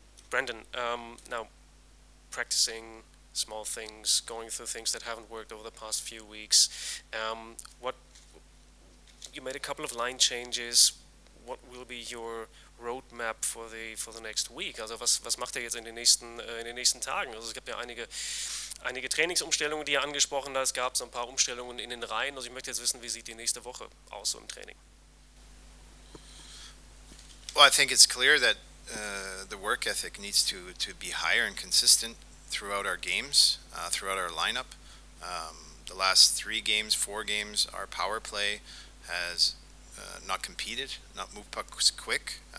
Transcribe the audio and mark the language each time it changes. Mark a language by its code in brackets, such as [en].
[en] Brandon, now practicing small things, going through things that haven't worked over the past few weeks. You made a couple of line changes. What will be your roadmap for the next week? [de] Also was macht ihr jetzt in den nächsten Tagen? Also es gibt ja einige Trainingsumstellungen, die ihr angesprochen habt. Es gab so ein paar Umstellungen in den Reihen. Also ich möchte jetzt wissen, wie sieht die nächste Woche aus so im Training? [en] Well, I think it's clear that the work ethic needs to be higher and consistent throughout our games, throughout our lineup. The last 3 games, 4 games, our power play has not competed, not moved pucks quick.